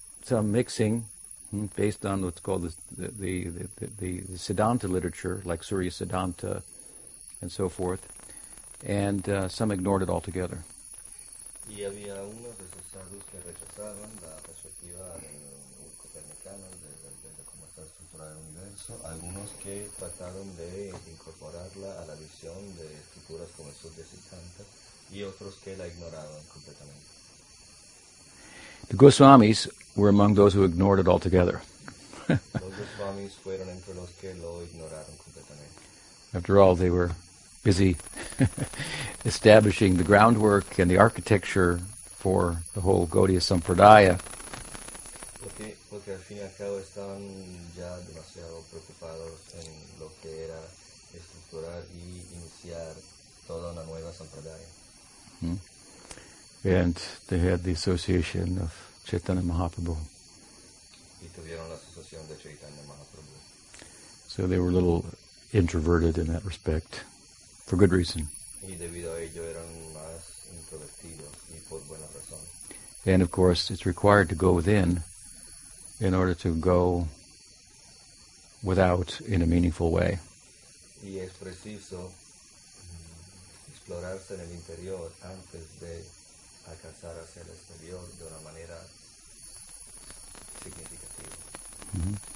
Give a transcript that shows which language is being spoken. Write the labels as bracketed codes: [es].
[en] mixing based on what's called the Siddhanta literature, like Surya Siddhanta and so forth, and some ignored it altogether. [es] Y había unos de esos sadhus que rechazaban la perspectiva copernicana de cómo está estructurado el universo, algunos que trataron de incorporarla a la visión de estructuras como el Surya Siddhanta, y otros que la ignoraban completamente. [en] The Goswamis were among those who ignored it altogether. [es] Los Goswamis fueron entre los que lo ignoraron completamente. [en] After all, they were busy establishing the groundwork and the architecture for the whole Gaudiya Sampradaya. [es] Porque al fin y al cabo estaban ya demasiado preocupados en lo que era estructurar y iniciar toda una nueva Sampradaya. [en] And they had the association of Chaitanya Mahaprabhu. [es] Y tuvieron la asociación de Chaitanya Mahaprabhu. [en] So they were a little introverted in that respect. For good reason. [es] Y debido a ello eran más introvertidos y por buena razón. [en] And of course, it's required to go within in order to go without in a meaningful way. [es] Y es preciso explorarse en el interior antes de alcanzar hacia el exterior de una manera significativa.